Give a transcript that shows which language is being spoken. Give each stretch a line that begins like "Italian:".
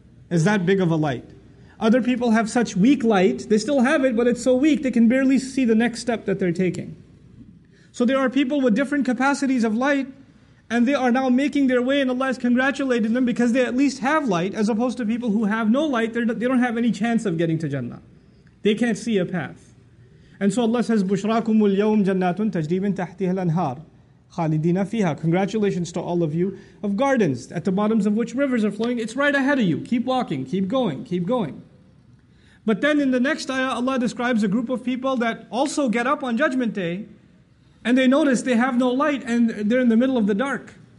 English: It's that big of a light. Other people have such weak light, they still have it, but it's so weak they can barely see the next step that they're taking. So there are people with different capacities of light, and they are now making their way, and Allah has congratulated them because they at least have light, as opposed to people who have no light, they don't have any chance of getting to Jannah. They can't see a path. And so Allah says,
Arabic: بُشْرَاكُمُ الْيَوْمُ جَنَّاتٌ تَجْرِي مِنْ تَحْتِهَا الْأَنْهَارُ خَالِدِينَ فِيهَا.
English: Congratulations to all of you of gardens at the bottoms of which rivers are flowing. It's right ahead of you. Keep walking, keep going, keep going. But then in the next ayah, Allah describes a group of people that also get up on Judgment Day, and they notice they have no light and they're in the middle of the dark.